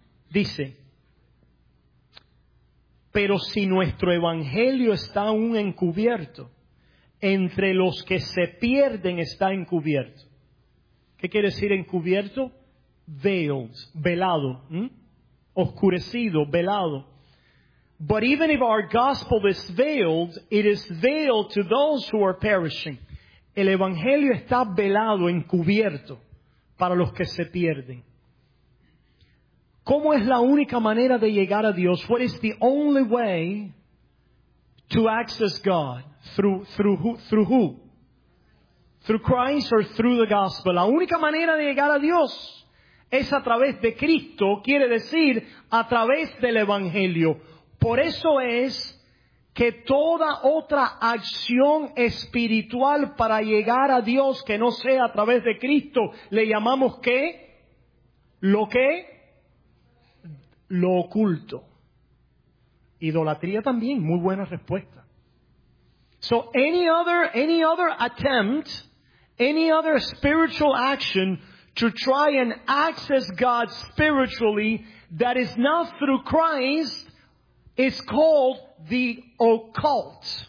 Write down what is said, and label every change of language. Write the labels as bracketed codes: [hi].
[es] Dice, pero si nuestro evangelio está aún encubierto, entre los que se pierden está encubierto. ¿Qué quiere decir encubierto? Veiled, velado, oscurecido, velado. [en] But even if our gospel is veiled, it is veiled to those who are perishing. [es] El evangelio está velado, encubierto, para los que se pierden. ¿Cómo es la única manera de llegar a Dios? [en] What is the only way to access God? Through who? Through Christ or through the gospel? [es] La única manera de llegar a Dios es a través de Cristo, quiere decir, a través del evangelio. Por eso es que toda otra acción espiritual para llegar a Dios que no sea a través de Cristo, le llamamos ¿qué? ¿Lo qué? Lo oculto. Idolatría también, muy buena respuesta. [en] So any other attempt, any other spiritual action to try and access God spiritually that is not through Christ, it's called the occult.